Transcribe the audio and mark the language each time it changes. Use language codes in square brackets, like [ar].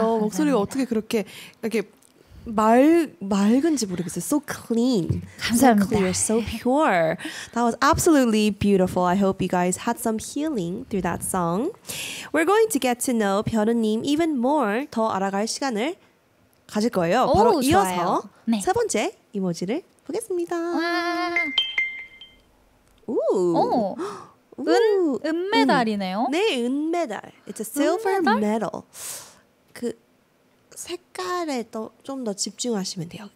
[ko] 아, 목소리가 어떻게 그렇게 이렇게 맑은지 모르겠어요. [en] So clean. [ko] 감사합니다. [en] So clear, so pure. That was absolutely beautiful. I hope you guys had some healing through that song. We're going to get to know 별은님 even more. [ko] 더 알아갈 시간을 가질 거예요. 오, 바로 이어서 좋아요. 네. 세 번째 이모지를 보겠습니다. 와. 오. 오. 은메달이네요. 네, 은메달. [en] It's a silver [ko] 은메달? [en] medal. [ko] 그 색깔에 좀 더 집중하시면 돼요.